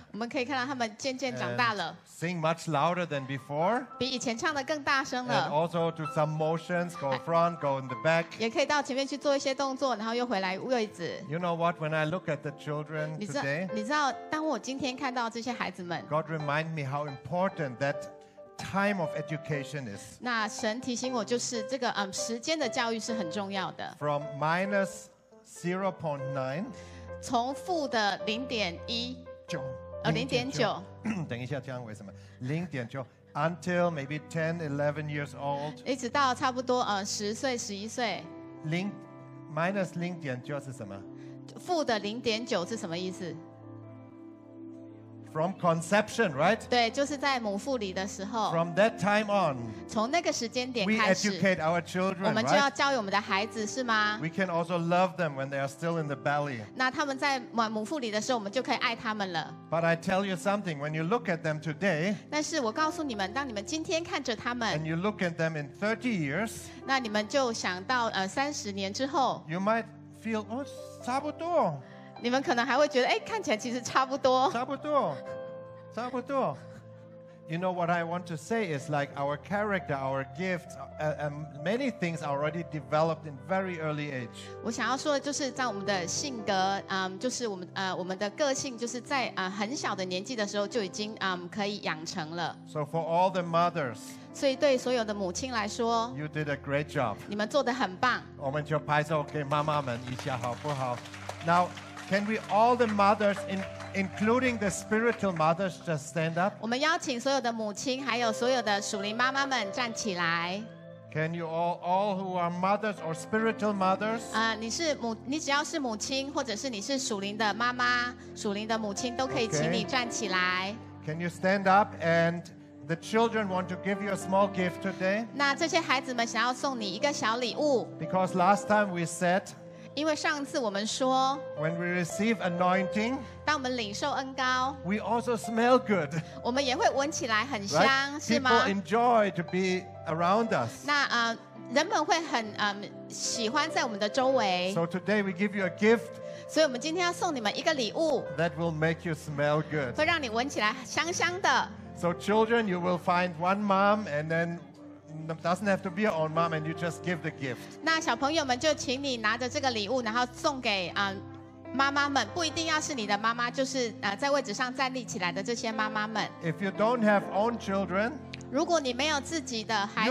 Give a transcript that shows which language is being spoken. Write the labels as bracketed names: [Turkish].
[Chinese] 我们可以看到他们渐渐长大了。 [English] Sing much louder than before. [Chinese] 比以前唱得更大声了。 [English] And also do some motions. Go front. Go in the back. [Chinese] 也可以到前面去做一些动作，然后又回来位置。 [English] You know what? When I look at the children today, [Chinese] 你知道，当我今天看到这些孩子们 [English] ，God remind me how important that time of education is. [Chinese] 那神提醒我，就是这个时间的教育是很重要的。 [English] From minus 0.9, [Chinese] 从负的0.19。 [English] 0.9 [Chinese] 等一下，这样为什么 [English] 0.9 until maybe 10-11 years old， [Chinese] 一直到差不多10岁11岁，零 [English] minus [Chinese] 0.9 是什么？负的0.9是什么意思？ [English] From conception， right？ [Chinese] 对，就是在母腹里的时候。 [English] From that time on， [Chinese] 从那个时间点开始， [English] we educate our children， [Chinese] 我们就要教育我们的孩子，是吗？ [English] We can also love them when they are still in the belly。 [Chinese] 那他们在母腹里的时候，我们就可以爱他们了。 [English] But I tell you something， when you look at them today， [Chinese] 但是我告诉你们，当你们今天看着他们， [English] and you look at them in 30 years， [Chinese] 那你们就想到30年之后， [English] you might feel， [Chinese] 哦，差不多。你们可能还会觉得，哎，看起来其实差不多。差不多，差不多。 [English] You know what I want to say is like our character, our gifts, many things are already developed in very early age. [Chinese] 我想要说的就是在我们的性格，就是我们的个性，就是在很小的年纪的时候就已经可以养成了。 [English] So for all the mothers. [Chinese] 所以对所有的母亲来说 [English] ，You did a great job. [Chinese] 你们做得很棒。我们就拍手给妈妈们一下，好不好 ？ [English] Now. Can we all the mothers, including the spiritual mothers, just stand up? [Chinese] 我们邀请所有的母亲，还有所有的属灵妈妈们站起来。 [English] Can you all who are mothers or spiritual mothers? [Chinese] 你只要是母亲，或者是你是属灵的妈妈、属灵的母亲，都可以请你站起来。 [English] Can you stand up? And the children want to give you a small gift today. [Chinese] 那这些孩子们想要送你一个小礼物。 [English] Because last time we said. [Chinese] 因为上次我们说 [English] ，When we receive anointing， [Chinese] 当我们领受恩膏 [English] ，We also smell good， [Chinese] 我们也会闻起来很香， [English] right? [Chinese] 是吗 [English] ？People enjoy to be around us。 [Chinese] 那人们会很喜欢在我们的周围。 [English] So today we give you a gift。 [Chinese] 所以我们今天要送你们一个礼物。 [English] That will make you smell good。 [Chinese] 会让你闻起来香香的。 [English] So children, you will find one mom and then. Doesn't have to be your own mom, and you just give the gift. [Chinese] 那小朋友们就请你拿着这个礼物，然后送给妈妈们，不一定要是你的妈妈，就是在位置上站立起来的这些妈妈们。 [English] If you don't have own children, [Chinese] 如果你没有自己的孩子